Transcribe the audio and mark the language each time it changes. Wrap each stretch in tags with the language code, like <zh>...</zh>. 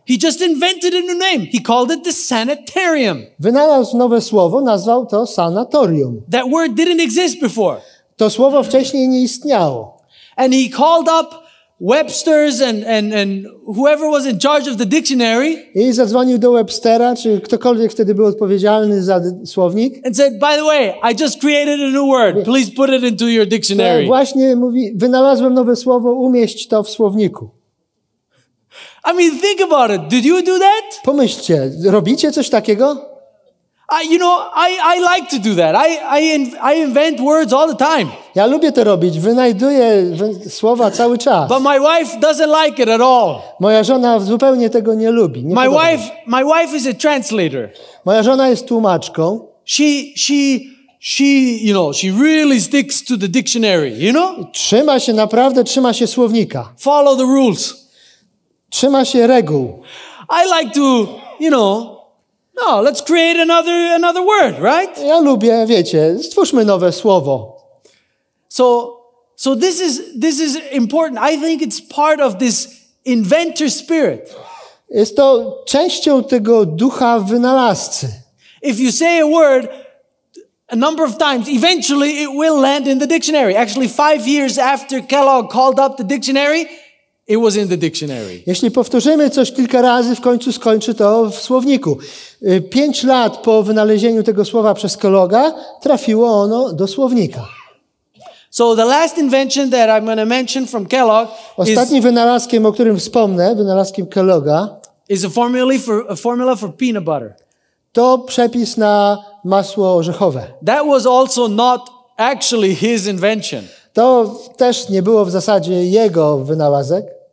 <en>He just invented a new name. He called it the sanitarium.</en> <pl>Wynalazł nowe słowo, nazwał to sanatorium.</pl> <en>That word didn't exist before.</en> <pl>To słowo wcześniej nie istniało.</pl> <en>And he called up Webster's and whoever was in charge of the dictionary.</en> <pl>I zadzwonił do Webstera, czy ktokolwiek wtedy był odpowiedzialny za słownik.</pl> <en>And said, by the way, I just created a new word. Please put it into your dictionary.</en> <pl>Właśnie mówi, wynalazłem nowe słowo, umieść to w słowniku.</pl> <en>I mean, think about it. Did you do that?</en> <pl>Pomyślcie, robicie coś takiego?</pl> <en>I like to do that. I invent words all the time.</en> <pl>Ja lubię to robić. Wynajduję słowa cały czas.</pl> <en>But my wife doesn't like it at all.</en> <pl>Moja żona zupełnie tego nie lubi. Nie</pl> <en>my wife is a translator.</en> <pl>Moja żona jest tłumaczką.</pl> <en>She you know, she really sticks to the dictionary, you know?</en> <pl>Trzyma się słownika.</pl> <en>Follow the rules.</en> <pl>Trzyma się reguł.</pl> <en>I like to, you know, no, let's create another word, right?</en> <pl>Ja lubię, wiecie, stwórzmy nowe słowo.</pl> <en>So this is important. I think it's part of this inventor spirit.</en> <pl>Jest to częścią tego ducha wynalazcy.</pl> <en>If you say a word a number of times, eventually it will land in the dictionary. Actually, 5 years after Kellogg called up the dictionary, it was in the dictionary.</en> <pl>Jeśli powtórzymy coś kilka razy, w końcu skończy to w słowniku. 5 lat po wynalezieniu tego słowa przez Kelloga trafiło ono do słownika.</pl> <en>So the last invention that I'm going to mention from Kellogg</en> <pl>ostatnim wynalazkiem, o którym wspomnę, wynalazkiem Kelloga</pl> <en>is a formula for peanut butter.</en> <pl>To przepis na masło orzechowe.</pl> <en>That was also not actually his invention.</en> <pl>To też nie było w zasadzie jego wynalazek.</pl>